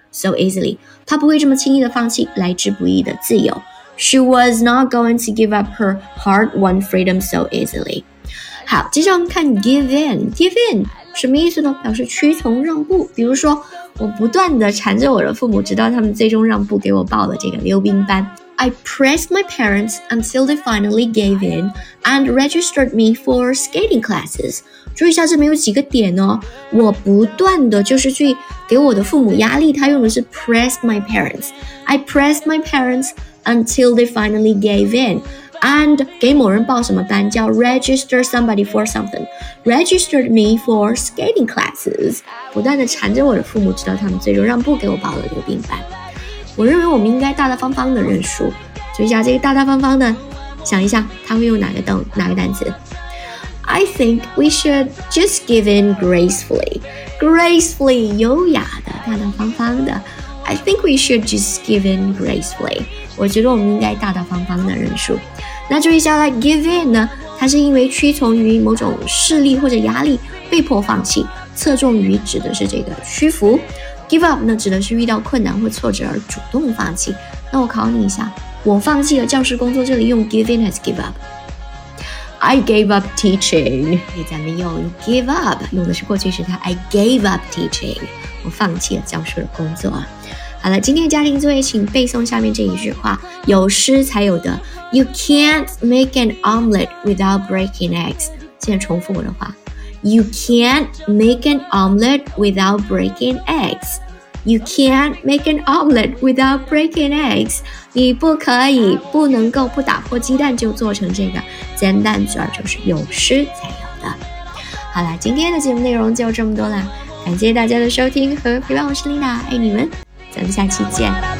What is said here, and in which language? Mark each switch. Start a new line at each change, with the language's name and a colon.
Chinese: So easily， 她不会这么轻易的放弃来之不易的自由。
English: She was not going to give up her hard won freedom so easily。
Chinese: 好，接下来我们看 give in。give in 什么意思呢？表示屈从让步。比如说我不断的缠着我的父母，直到他们最终让步给我报了这个溜冰班。
English: I pressed my parents until they finally gave in and registered me for skating classes.
Chinese: 注意一下这里有几个点哦，我不断的就是去给我的父母压力，他用的是 pressed my parents.
English: I pressed my parents until they finally gave in and
Chinese: 给某人报什么班，叫
English: register somebody for something. Registered me for skating classes.
Chinese: 不断的缠着我的父母，直到他们最终让步给我报了溜冰班。我认为我们应该大大方方的认输，注意一下这个大大方方的，想一下他会用哪个单词。
English: I think we should just give in gracefully. Gracefully
Chinese: 优雅的，大大方方的。
English: I think we should just give in gracefully.
Chinese: 我觉得我们应该大大方方的认输。那注意一下 like give in 呢，它是因为屈从于某种势力或者压力被迫放弃，侧重于指的是这个屈服。 Give up 呢指的是遇到困难或挫折而主动放弃。那我考你一下，我放弃了教师工作，这里用 give in 还是 give up？
English: I gave up teaching。
Chinese: 咱们用 give up， 用的是过去时态。
English: I gave up teaching，
Chinese: 我放弃了教师的工作。好了，今天的家庭作业请背诵下面这一句话，有失才有得。
English: You can't make an omelette without breaking eggs。
Chinese: 现在重复我的话，
English: You can't make an omelette without breaking eggs. You can't make an omelette without breaking eggs.
Chinese: 你不可以，不能够，不打破鸡蛋就做成这个煎蛋卷，就是有失才有的。好了，今天的节目内容就这么多了，感谢大家的收听和陪伴，我是 Lina， 爱你们，咱们下期见。